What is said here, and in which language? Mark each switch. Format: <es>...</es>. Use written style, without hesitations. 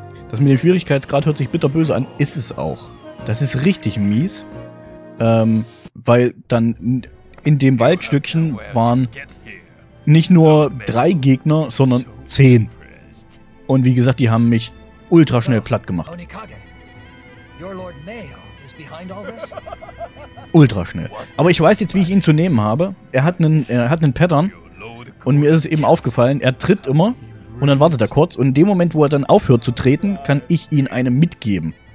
<de>Das mit dem Schwierigkeitsgrad hört sich bitterböse an. Ist es auch. Das ist richtig mies. Weil dann in dem Waldstückchen waren nicht nur 3 Gegner, sondern 10. Und wie gesagt, die haben mich ultraschnell platt gemacht.</de> <en>Your Lord Mehr is behind all this?</en> <de>Ultraschnell. Aber ich weiß jetzt, wie ich ihn zu nehmen habe. Er hat einen Pattern. Und mir ist es eben aufgefallen, er tritt immer. Und dann wartet er kurz. Und in dem Moment, wo er dann aufhört zu treten, kann ich ihn einem mitgeben.</de>